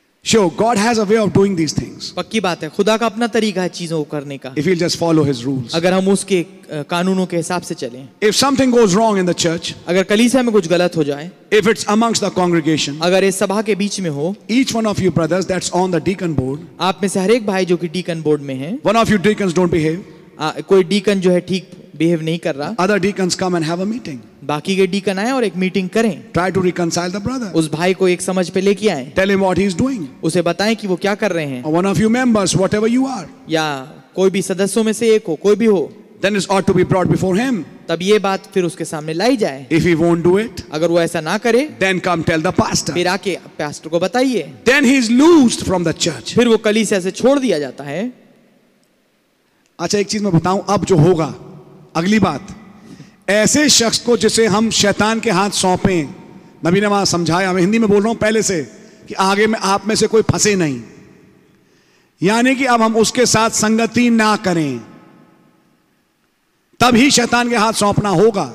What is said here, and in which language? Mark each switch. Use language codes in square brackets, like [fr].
[en] Sure, God has a way of doing these things. [hi] पक्की बात है, खुदा का अपना तरीका है चीजों को करने का। [en] If we'll just follow His rules. [hi] अगर हम उसके कानूनों के हिसाब से चलें। [en] If something goes wrong in the church. [hi] अगर कलीसिया में कुछ गलत हो जाए। [en] If it's amongst the congregation. [hi] अगर इस सभा के बीच में हो। [en] Each one of you brothers that's on the deacon board. [hi] आप में से हर एक भाई जो कि डीकन बोर्ड में है। [en] One of you deacons don't behave. [hi] कोई डीकन जो है ठीक बिहेव नहीं कर रहा। [en] Other deacons come and have a meeting. [hi] बाकी के डीकन आए और एक मीटिंग करें। [en] Try to reconcile the brother. [hi] उस भाई को एक समझ पे लेके आए। [en] Tell him what he is doing. [hi] उसे बताएं कि वो क्या कर रहे हैं। [en] Or one of you members, whatever you are. [hi] या कोई भी सदस्यों में से एक हो, कोई भी हो। [en] Then it ought to be brought before him. [hi] तब ये बात फिर उसके सामने लाई जाए। [en] If he won't do it, [hi] अगर वो ऐसा ना करे, [en] then come tell the pastor. [hi] फिर आके पास्टर को बताइए। [en] Then he is loosed from the church. [hi] फिर वो कलीसिया से छोड़ दिया जाता है। अच्छा एक चीज मैं बताऊं, अब जो होगा अगली बात, ऐसे शख्स को जिसे हम शैतान के हाथ सौंपें, नबी ने वहां समझाया, मैं हिंदी में बोल रहा हूं पहले से, कि आगे में आप में से कोई फंसे नहीं, यानी कि अब हम उसके साथ संगति ना करें, तब ही शैतान के हाथ सौंपना होगा।